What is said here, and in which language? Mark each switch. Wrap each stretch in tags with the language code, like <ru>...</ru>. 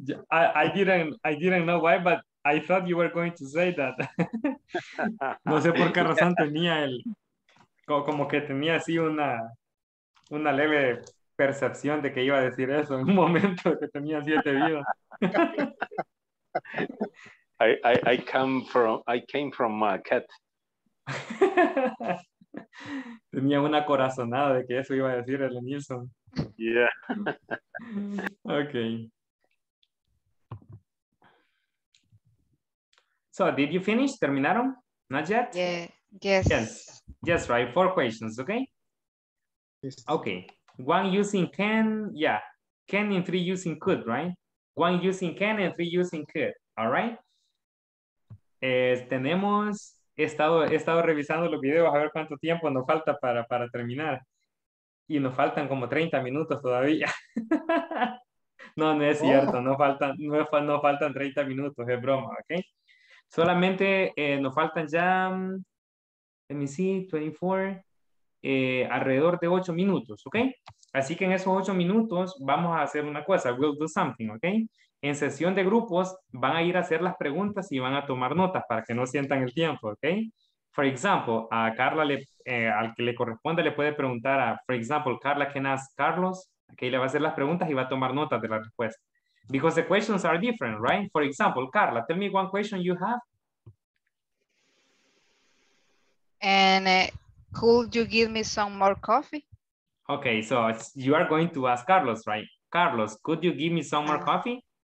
<en>I didn't know why, but I thought you were going to say that.</en> <es>No sé por qué razón tenía el... Como que tenía así una leve percepción de que iba a decir eso en un momento que tenía siete vidas.</es> <en>I came from a cat.</en> <es>Tenía una corazonada de que eso iba a decir el Nilsson.</es> <en>Yeah. Okay. So, did you finish?</en> <es>¿Terminaron?</es> <en>Not yet? Yeah. Yes. Yes, right. Four questions, okay? Okay, one using can, yeah, can and three using could, right? One using can and three using could, all right?</en> <es>Tenemos, he estado revisando los videos a ver cuánto tiempo nos falta para terminar. Y nos faltan como 30 minutos todavía. No es cierto, no faltan 30 minutos, es broma, okay? Solamente nos faltan ya,</es> <en>let me see,</en> <es>24... alrededor de 8 minutos, ¿ok? Así que en esos 8 minutos vamos a hacer una cosa,</es> <en>we'll do something,</en> <es>¿ok? En sesión de grupos van a ir a hacer las preguntas y van a tomar notas para que no sientan el tiempo, ¿ok?</es> <en>For example,</en> <es>a Carla, al que le corresponde, le puede preguntar a,</es> <en>for example,</en> <es>Carla,</es> <en>can ask</en> <es>Carlos, ¿ok? Le va a hacer las preguntas y va a tomar notas de la respuesta.</es> <en>Because the questions are different, right? For example, Carla, tell me one question you have. Could you give me some more coffee? Okay, so you are going to ask Carlos, right? Carlos, could you give me some more coffee?</en>